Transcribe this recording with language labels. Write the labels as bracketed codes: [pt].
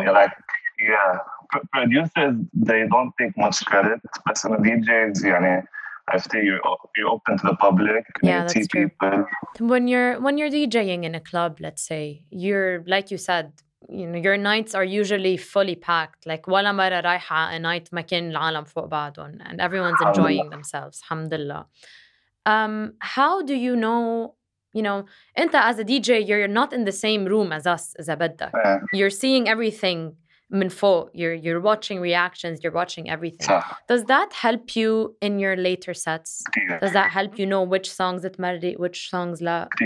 [en] You know, like, yeah, producers, they don't take much credit. But some DJs, you know, after you're open to the public, yeah, you see people. When you're DJing in a club, let's say, you're, like you said, you know, your nights are usually fully packed. [ar] Like, ولا مرة رايحة [en] a night [ar] مكان العالم فوق بعضهم. [en] And everyone's enjoying themselves. Alhamdulillah. How do you know, you know, أنت as a DJ, you're not in the same room as us, [ar] إذا بدك. [en] You're seeing everything [ar] من فوق. [en] You're watching reactions. You're watching everything. Does that help you in your later sets? Does that help you know which songs it مرضي, which songs لا?